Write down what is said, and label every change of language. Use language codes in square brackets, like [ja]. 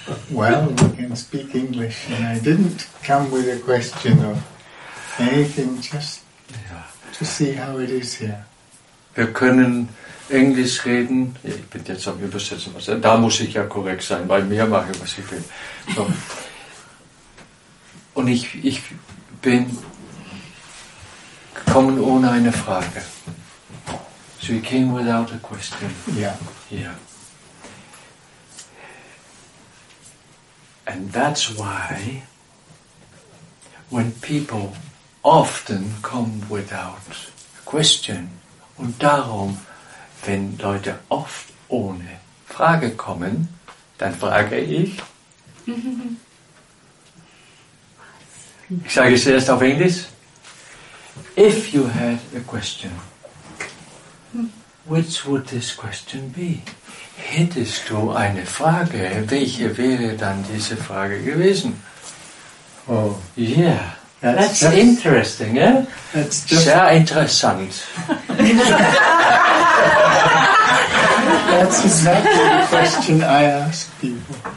[en] Well, we can speak English and I didn't come with a question of anything, just to see how it is here. [de] Wir können Englisch reden. Ich bin jetzt am Übersetzen. Da muss ich ja korrekt sein, weil mir mache ich, was ich will. So. Und ich bin gekommen ohne eine Frage. [en] So he came without a question. Yeah. Yeah. And that's why when people often come without a question, [de] und darum, wenn Leute oft ohne Frage kommen, dann frage ich. Ich sage es erst auf Englisch. [en] If you had a question, which would this question be? [de] Hättest du eine Frage, welche wäre dann diese Frage gewesen? Oh, [en] yeah. That's just interesting, eh? That's just [de] sehr interessant. [en] That's exactly the question I ask people.